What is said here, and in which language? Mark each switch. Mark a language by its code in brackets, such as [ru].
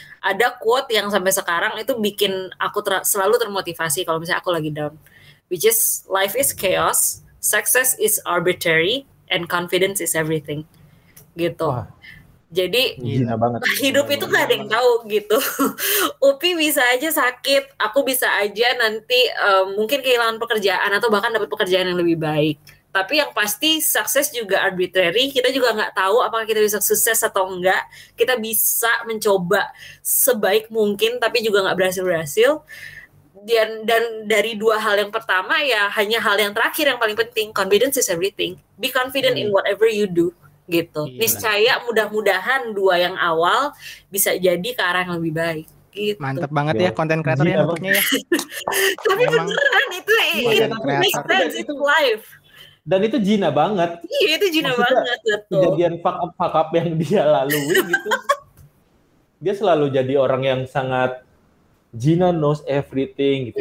[id] Ada quote yang sampai sekarang itu bikin aku selalu termotivasi kalau misalnya aku lagi down. [en] Which is, life is chaos, success is arbitrary, and confidence is everything. [id] Gitu. Wah. Jadi gila banget. Hidup itu gak ada yang tahu gitu. Upi bisa aja sakit, aku bisa aja nanti mungkin kehilangan pekerjaan atau bahkan dapat pekerjaan yang lebih baik. Tapi yang pasti sukses juga arbitrary. Kita juga nggak tahu apakah kita bisa sukses atau enggak. Kita bisa mencoba sebaik mungkin, tapi juga nggak berhasil-berhasil. Dan dari dua hal yang pertama, ya hanya hal yang terakhir yang paling penting. [en] Confidence is everything. Be confident in whatever you do. [id] Gitu. Niscaya mudah-mudahan dua yang awal bisa jadi ke arah yang lebih baik. Gitu. Mantep banget ya konten kreatornya. Tapi beneran itu [en] makes sense to life. [id] Dan itu Gina banget. Iya, itu Gina banget. Kejadian fuck up yang dia lalui gitu. Dia selalu jadi orang yang sangat Gina [en] knows everything [id] gitu.